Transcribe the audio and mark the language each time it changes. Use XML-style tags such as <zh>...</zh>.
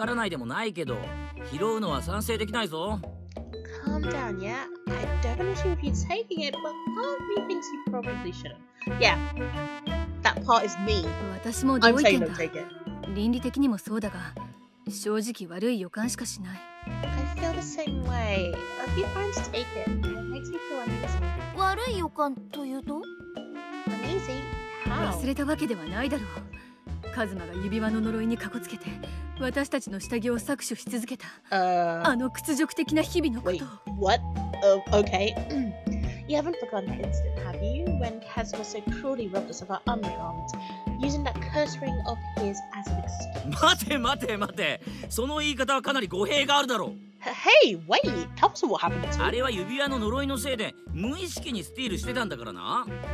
<ja>ちょっと落ち着け。お前の気持ちはわからないでもないけど、拾うのは賛成できないぞ。</ja> <en>Calm down, yeah? I definitely would be taking it, but part of me thinks you probably shouldn't. Yeah, that part is me. I'm saying don't take it. I feel the same way. If you find to take it, it makes me feel uneasy.</en> <ja>悪い予感というと?</ja> <en>Uneasy? How?</en> <ja>忘れたわけではないだろう。カズマが指輪の呪いにかこつけて、私たちの下着を搾取し続けた、あの屈辱的な日々のこと。</ja> <en>Wait, what? Okay. You haven't forgotten the incident, have you? When Kazuma so cruelly robbed us of our undergarments, using that curse ring of his as an excuse.</en> <ja>待て待て待て、その言い方はかなり語弊があるだろう。</ja> <en>Hey, wait, that wasn't what happened to you.</en> <ja>あれは指輪の呪いのせいで、無意識にスティールしてたんだからな。</ja>